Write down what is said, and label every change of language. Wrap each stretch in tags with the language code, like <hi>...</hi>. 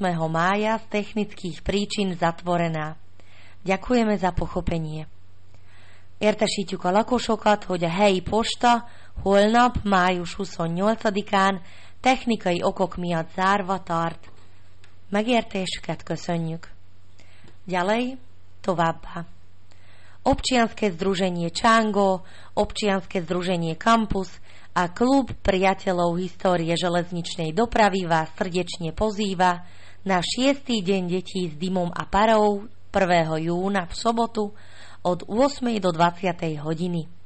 <sk>mája z technických príčin zatvorená. Ďakujeme za pochopenie.</sk> <hu>Értesítjük a lakosokat, hogy a helyi posta holnap, május 28-án technikai okok miatt zárva tart. Megértésüket köszönjük.</hu> <sk>Ďalej,</sk> <hu>továbbá.</hu> <sk>Občianske združenie Čango, občianske združenie Kampus a klub priateľov histórie železničnej dopravy vás srdečne pozýva na 6. deň detí s dymom a parou 1. júna v sobotu od 8. do 20. hodiny.</sk>